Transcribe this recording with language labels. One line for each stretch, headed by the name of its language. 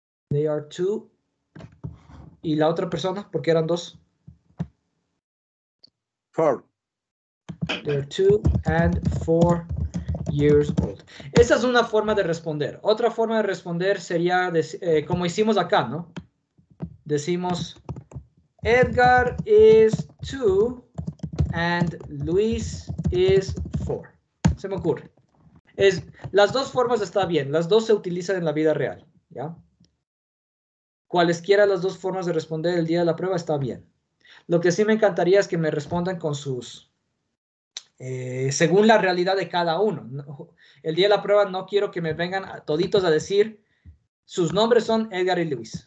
English: They are two.
Spanish: ¿Y la otra persona? ¿Por qué eran dos?
English: Four. They are two and four. Years old.
Spanish: Esa es una forma de responder. Otra forma de responder sería como hicimos acá, ¿no? Decimos,
English: Edgar is two and Luis is four.
Spanish: Se me ocurre. Las dos formas está bien. Las dos se utilizan en la vida real, ¿ya? Cualesquiera de las dos formas de responder el día de la prueba está bien. Lo que sí me encantaría es que me respondan con sus... según la realidad de cada uno. El día de la prueba no quiero que me vengan a toditos a decir sus nombres son Edgar y Luis.